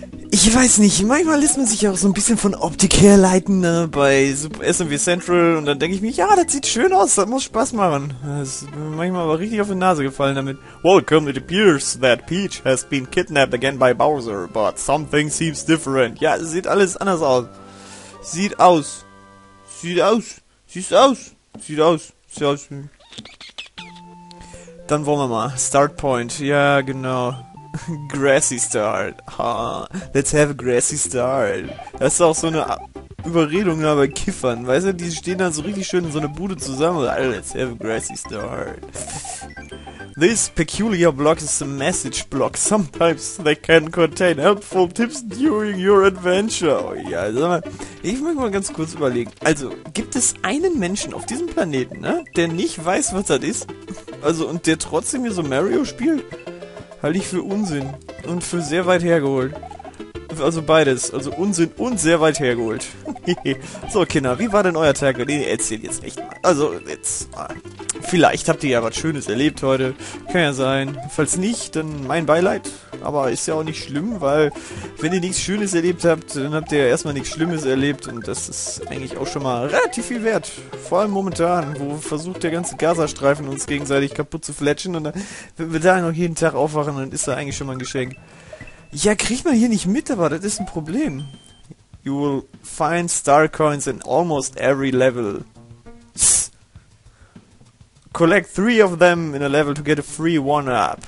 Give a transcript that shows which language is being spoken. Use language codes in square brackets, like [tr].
[de] Ich weiß nicht, manchmal lässt man sich auch so ein bisschen von Optik herleiten, ne, bei Super SMW Central und dann denke ich mir, ja, das sieht schön aus, das muss Spaß machen. Das ist manchmal aber richtig auf die Nase gefallen damit. [en] Welcome, it appears that Peach has been kidnapped again by Bowser, but something seems different. [de] Ja, es sieht alles anders aus. Sieht aus. Sieht aus. Sieht aus. Sieht aus. Sieht aus. Sieht aus. Dann wollen wir mal. Start Point. Ja, genau. [en] Grassy Start. Ha. Let's have a grassy start. [de] Das ist auch so eine Überredung da bei Kiffern. Weißt du, die stehen dann so richtig schön in so einer Bude zusammen. [en] Also, let's have a grassy start. This peculiar block is a message block. Sometimes they can contain helpful tips during your adventure. [de] Oh ja, sag mal. Ich möchte mal ganz kurz überlegen. Also, gibt es einen Menschen auf diesem Planeten, ne, der nicht weiß, was das ist? Also, und der trotzdem hier so Mario spielt? Halte ich für Unsinn. Und für sehr weit hergeholt. Also beides. Also Unsinn und sehr weit hergeholt. So, Kinder, wie war denn euer Tag? Nee, erzählt jetzt echt mal. Also, jetzt mal. Vielleicht habt ihr ja was Schönes erlebt heute. Kann ja sein. Falls nicht, dann mein Beileid. Aber ist ja auch nicht schlimm, weil wenn ihr nichts Schönes erlebt habt, dann habt ihr ja erstmal nichts Schlimmes erlebt. Und das ist eigentlich auch schon mal relativ viel wert. Vor allem momentan, wo versucht der ganze Gazastreifen uns gegenseitig kaputt zu fletschen. Und dann, wenn wir da noch jeden Tag aufwachen, dann ist da eigentlich schon mal ein Geschenk. Ja, kriegt man hier nicht mit, aber das ist ein Problem. [en] You will find Star Coins in almost every level. Collect 3 of them in a level to get a free 1-up.